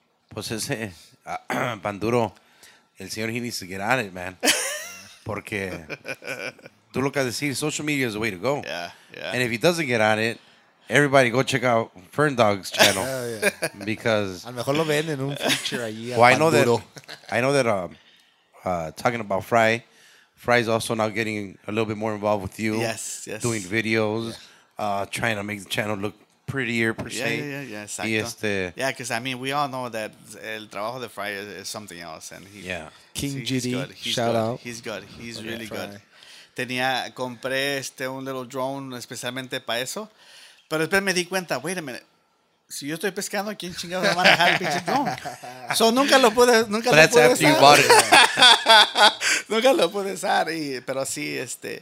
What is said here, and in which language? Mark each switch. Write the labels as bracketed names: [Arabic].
[Spanish] Pues ese panduro, el señor, [English] he needs to get on it, man. [Spanish] Porque tú lo que has de decir, [English] social media is the way to go. Yeah, yeah. And if he doesn't get on it, everybody go check out Fern Dog's channel. Oh, yeah. Because [Spanish] a lo mejor lo ven en un feature allí. [English] Well, I know that talking about Fry, Fry's also now getting a little bit more involved with you. Yes, yes. Doing videos, yeah. Trying to make the channel look prettier, per se. Yeah, yeah, yeah, exacto. Yeah, because, I mean, we all know that [Spanish] el trabajo de Fry [English] is something else. And he, yeah. King GD, shout out. He's good. He's really good. [Spanish] Tenía, compré un little drone especialmente para eso. Pero después me di cuenta, [English] wait a minute. [Spanish] Si yo estoy pescando, ¿quién chingado va a manejar el pinche drone? So, nunca lo pude usar. [English] But that's after you bought it. [Spanish] Nunca lo pude usar, pero sí,